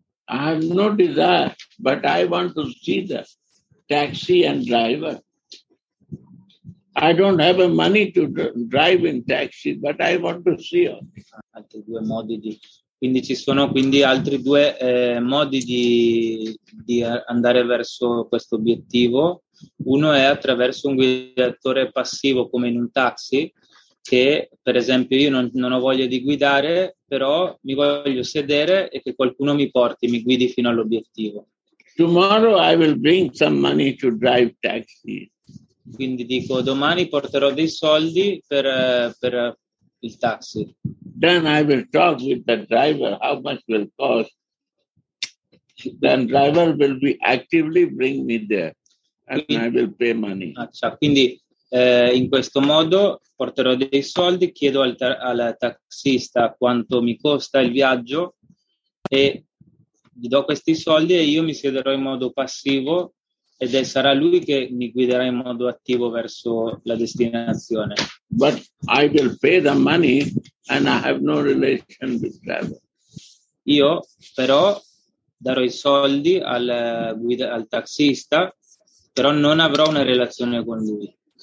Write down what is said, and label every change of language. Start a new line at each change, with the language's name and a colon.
English: I have no desire, but I want to see the taxi and driver. I don't have money to drive in taxi, but I want to see her.
Italian: Altri due modi di. Quindi ci sono quindi altri due modi di andare verso questo obiettivo. Uno è attraverso un guidatore passivo, come in un taxi, che per esempio io non ho voglia di guidare, però mi voglio sedere e che qualcuno mi porti, mi guidi fino all'obiettivo.
English: Tomorrow I will bring some money to drive taxi.
Italian: Quindi dico, domani porterò dei soldi per il taxi.
English: Then I will talk with the driver, how much will cost. Then driver will be actively bring me there and quindi, I will pay money.
Italian: Quindi in questo modo porterò dei soldi, chiedo al taxista quanto mi costa il viaggio e gli do questi soldi e io mi siederò in modo passivo ed è sarà lui che mi guiderà in modo attivo verso la destinazione.
English: But I will pay the money and I have no relation with travel.
Italian: Io però darò i soldi al taxista, però non avrò una relazione con lui.